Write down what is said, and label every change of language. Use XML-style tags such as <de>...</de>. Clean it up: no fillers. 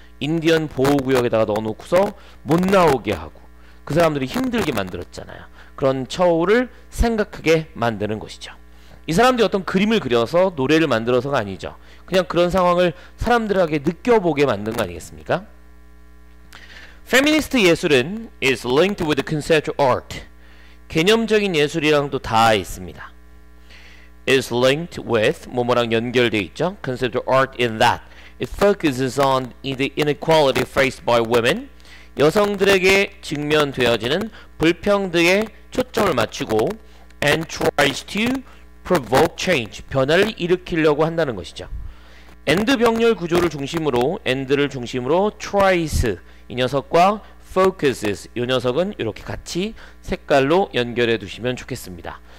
<ko>인디언 보호구역에다가 넣어놓고서 못 나오게 하고 그 사람들이 힘들게 만들었잖아요. 그런 처우를 생각하게 만드는 것이죠. 이 사람들이 어떤 그림을 그려서 노래를 만들어서가 아니죠. 그냥 그런 상황을 사람들에게 느껴보게 만든 거 아니겠습니까?</ko> <en>Feminist</en> <ko>예술은</ko> <en>is linked with conceptual art.</en> <ko>개념적인 예술이랑도 다 있습니다.</ko> <en>is linked with</en> <ko>뭐뭐랑 연결되어 있죠.</ko> <en>conceptual art in that it focuses on the inequality faced by women.</en> <ko>여성들에게 직면되어지는 불평등에 초점을 맞추고</ko> <en>and tries to provoke change.</en> <ko>변화를 일으키려고 한다는 것이죠. and 병렬 구조를 중심으로 and를 중심으로 tries 이 녀석과 focuses 이 녀석은 이렇게 같이 색깔로 연결해 두시면 좋겠습니다.</ko>